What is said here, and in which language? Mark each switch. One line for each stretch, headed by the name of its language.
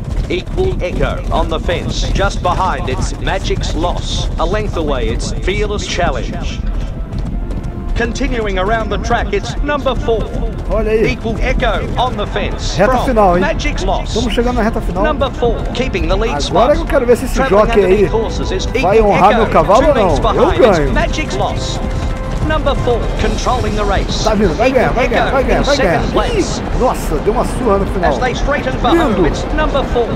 English: Equal Echo on the fence. Just behind, it's Magic's Loss. A length away, it's Fearless Challenge. Continuing around the track, it's number 4.
Portuguese: Olha aí.
English: Equal Echo on the fence.
Portuguese: Reta final, hein?
English: Magic's Loss.
Portuguese: Estamos chegando na reta final.
English: Number 4, keeping the lead spot.
Portuguese: Agora eu quero ver se esse jockey aí vai honrar meu cavalo ou não. Eu ganho.
English: Magic's Loss. Number 4, controlling the race.
Portuguese: Tá vindo, vai ganhar, vai ganhar, vai ganhar, vai ganhar. Nossa, deu uma surra no final.
English: As they straighten for home, it's number 4.